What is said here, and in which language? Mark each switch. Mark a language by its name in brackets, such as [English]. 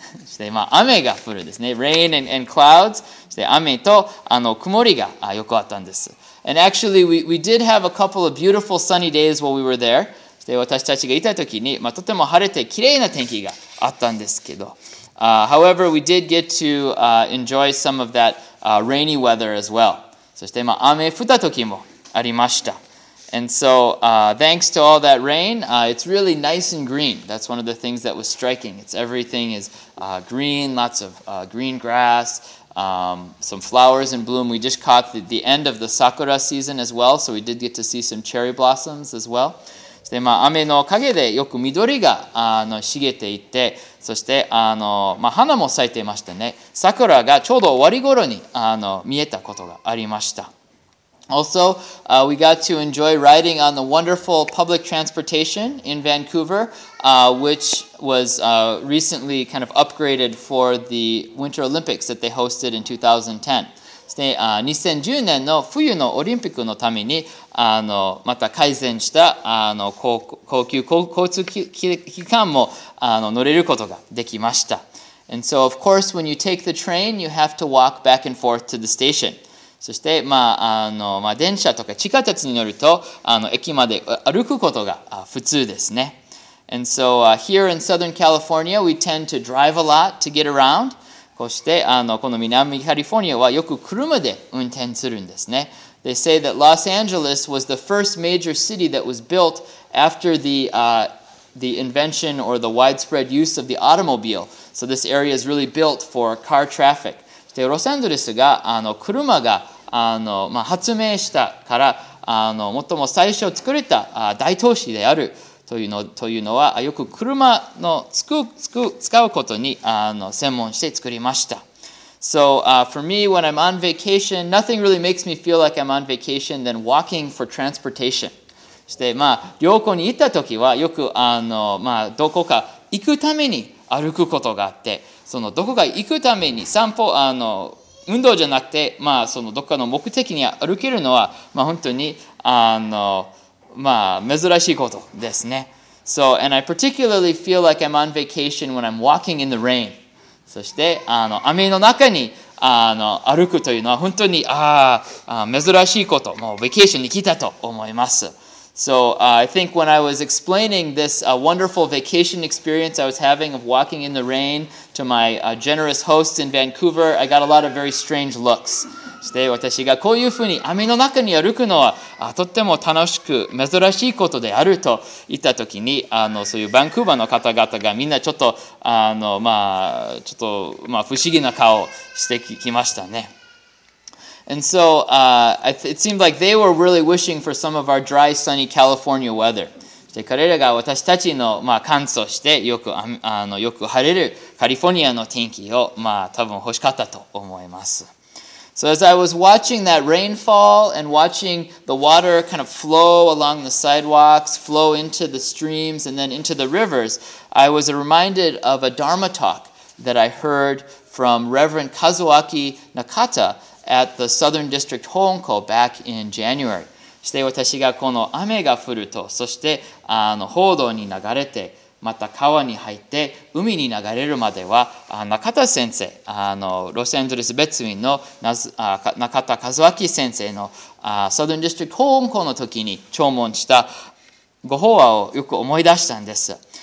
[Japanese] して、まあ、雨が降るですね。 [English] Rain and clouds. [Japanese] して、雨と、曇りが、よくあったんです。 [English] And actually, we did have a couple of beautiful sunny days while we were there. [Japanese] して、私たちがいた時に、まあ、とても晴れて綺麗な天気があったんですけど。 [English] However, we did get to enjoy some of that rainy weather as well. [Japanese] そして、まあ、雨降った時もありました。 [English] And so, thanks to all that rain, it's really nice and green. That's one of the things that was striking. It's everything is green, lots of green grass, some flowers in bloom. We just caught the end of the sakura season as well, so we did get to see some cherry blossoms as well. [Japanese] でまあ、雨の陰でよく緑が茂っていて、そして、まあ、花も咲いていましたね。桜がちょうど終わり頃に見えたことがありました。 [English] Also, we got to enjoy riding on the wonderful public transportation in Vancouver, which was recently kind of upgraded for the Winter Olympics that they hosted in 2010. [Japanese] で2010年の冬のオリンピックのためにまた改善した公共交通機関も乗れることができました。 [English] And so, of course, when you take the train, you have to walk back and forth to the station. [Japanese] そして、まあまあ、電車とか地下鉄に乗ると駅まで歩くことが普通ですね。 [English] And so here in Southern California, we tend to drive a lot to get around. [Japanese] こうしてこの南カリフォルニアはよく車で運転するんですね。 [English] They say that Los Angeles was the first major city that was built after the invention or the widespread use of the automobile. So this area is really built for car traffic. [Japanese] そしてロサンゼルスが車が発明したから最も最初作れた大都市であるというのはよく車の使うことに専門して作りました。 [English] So, for me, when I'm on vacation, nothing really makes me feel like I'm on vacation than walking for transportation. [Japanese] そして、旅行に行ったときは、よくどこか行くために歩くことがあって、そのどこか行くために散歩、運動じゃなくて、そのどこかの目的に歩けるのは、本当に、珍しいことですね。 [English] So, and I particularly feel like I'm on vacation when I'm walking in the rain. [Japanese] そして雨の中に歩くというのは本当に珍しいこと。もうベケーションに来たと思います。 [English] So, I think when I was explaining this wonderful vacation experience I was having of walking in the rain to my generous hosts in Vancouver, I got a lot of very strange looks. [Japanese] で私がこういうふうに雨の中に歩くのはとっても楽しく珍しいことであると言ったときにそういうバンクーバーの方々がみんなちょっと不思議な顔をしてきましたね。 [English] And so, it seemed like they were really wishing for some of our dry, sunny California weather. [Japanese] で彼らが私たちの感想してよく晴れるカリフォルニアの天気を多分欲しかったと思います。 [English] So as I was watching that rainfall and watching the water kind of flow along the sidewalks, flow into the streams and then into the rivers, I was reminded of a Dharma talk that I heard from Reverend Kazuaki Nakata at the Southern District Hohonko back in January. [Japanese] そして私がこの雨が降ると、そして報道に流れて、また川に入って海に流れるまでは中田先生ロサンゼルス別院の中田和明先生のサウザンディストリクト法音校の時に聴聞したご法話をよく思い出したんです。